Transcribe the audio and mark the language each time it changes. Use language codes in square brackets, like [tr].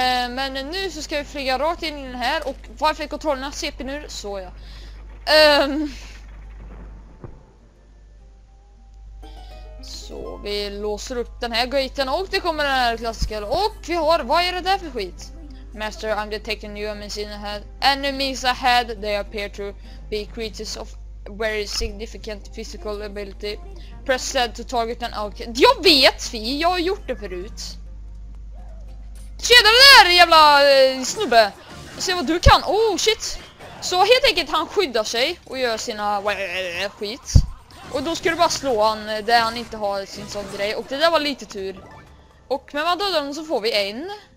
[sv] Men nu så ska vi flyga rakt in i den här och varför är kontrollerna CP nu? Så ja. Så vi låser upp den här gaten och det kommer den här klassiska. Och vi har, vad är det där för skit? [en] Master, I'm detecting new enemies ahead. They appear to be creatures of very significant physical ability. Press Z to target an alchemist. [sv] Jag vet Fi, jag har gjort det förut. Tjena där jävla snubbe! Se vad du kan, [en] oh shit! [sv] Så helt enkelt han skyddar sig och gör sina skit. Och då ska du bara slå han där han inte har sin sån grej. Och det där var lite tur. Och med man dödar honom så får vi en.